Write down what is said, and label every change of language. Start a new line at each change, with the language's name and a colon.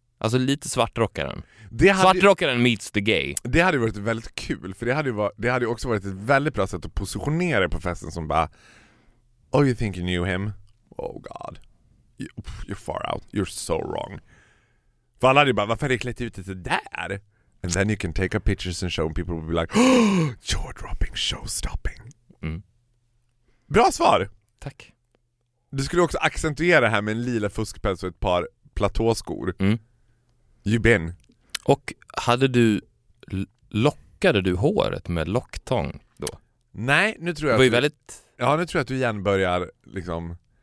Swedish: Alltså lite svartrockaren. Svartrockaren meets the gay. Det hade varit väldigt kul. För det hade också varit ett väldigt bra sätt att positionera på festen som bara,
English: oh, you think you knew him? Oh god. You're far out. You're so wrong.
Swedish: För alla hade ju bara, varför har du klätt ut det där?
English: And then you can take a pictures and show and people will be like, oh, jaw dropping, show stopping.
Swedish: Mm. Bra svar. Tack. Du skulle också accentuera det här med en lila fuskpäls och ett par platåskor. Mm.
English: You been.
Swedish: Och hade du lockade du håret med locktång då? Nej, nu tror jag. Det var ju väldigt. Ja, nu tror jag att du igen börjar liksom.